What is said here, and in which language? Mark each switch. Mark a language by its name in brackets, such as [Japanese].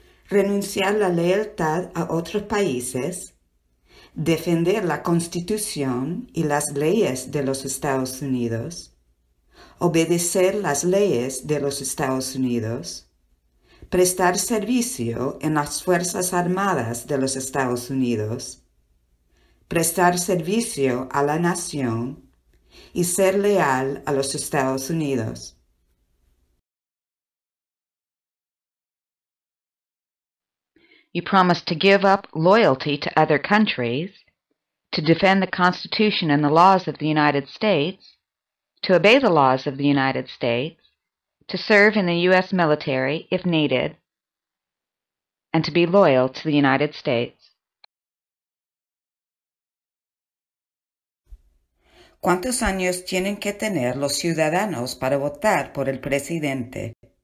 [Spanish] Renunciar la lealtad a otros países, defender la Constitución y las leyes de los Estados Unidos, obedecer las leyes de los Estados Unidos, prestar servicio en las Fuerzas Armadas de los Estados Unidos, prestar servicio a la nación y ser leal a los Estados Unidos. [English] You promise to give up loyalty to other countries, to defend the Constitution and the laws of the United States, to obey the laws of the United States, to serve in the U.S. military if needed, and to be loyal to the United States. [Spanish] ¿Cuántos años tienen que tener los ciudadanos para votar por el presidente?